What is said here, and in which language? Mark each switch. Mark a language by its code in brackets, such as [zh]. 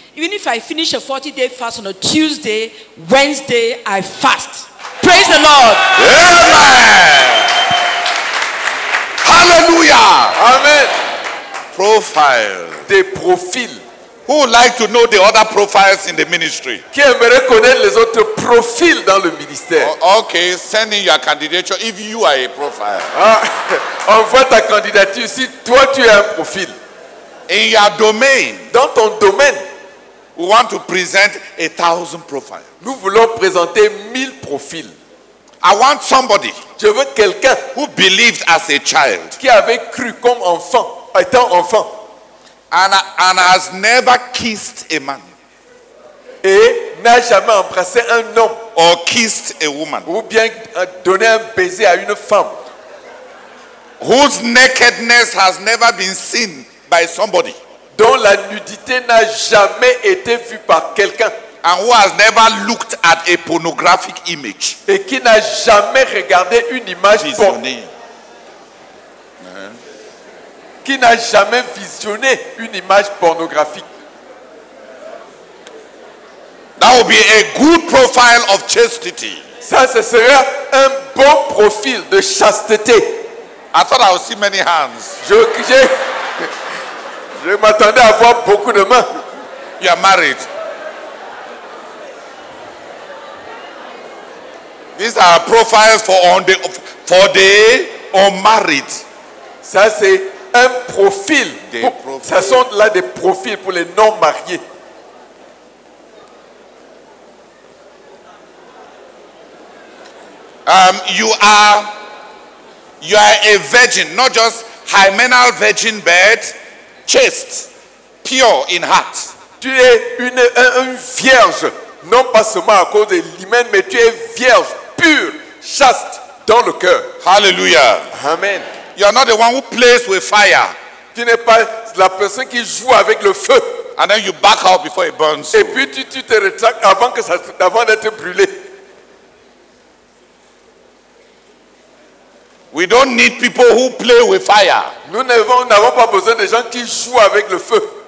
[en] Even if I finish a 40-day fast on a Tuesday, Wednesday, I fast. Praise the Lord. Amen. Hallelujah. Amen. Profile. [fr] Des profils. [en] Who would like to know the other profiles in the ministry? [fr] Qui aimerait connaître les autres profils dans le ministère? [en] Okay, send in your candidature if you are a profile. [fr] Envoie ta candidature si toi tu es un profil. [en] In your domain. [fr] Dans ton domaine. [en] We want to present 1,000 profiles. [fr] Nous voulons présenter 1,000 profils. [en] I want somebody. [fr] Je veux quelqu'un [en] who believed as a child. [fr] Qui avait cru comme enfant, étant enfant. [en] And has never kissed a man. [fr] Et n'a jamais embrassé un homme. [en] Or kissed a woman. [fr] Ou bien donné un baiser à une femme. [en] Whose nakedness has never been seen by somebody. [fr] Dont la nudité n'a jamais été vue par quelqu'un. [en] And who has never looked at a pornographic image. [fr] Et qui n'a jamais regardé une image visionnée. Qui n'a jamais visionné une image pornographique. [en] That would be a good profile of chastity. [fr] Ça, ce serait un bon profil de chasteté. [en] I thought I would see many hands. [fr] Je m'attendais à voir beaucoup de mains. [en] You are married. These are profiles for the unmarried. [fr] Ça c'est un profil. Ça sont là des profils pour les non mariés. [en] You are a virgin, not just hymenal virgin, but chaste, pure in heart. [fr] Tu es une vierge, non pas seulement à cause de l'hymen, mais tu es vierge. Pure, chaste dans le cœur. [en] Hallelujah. Amen. You are not the one who plays with fire. [fr] Tu n'es pas la personne qui joue avec le feu. [en] And then you back out before it burns. [fr] Et puis tu te rétractes avant d'être brûlé. [en] We don't need people who play with fire. [fr] Nous n'avons pas besoin de gens qui jouent avec le feu.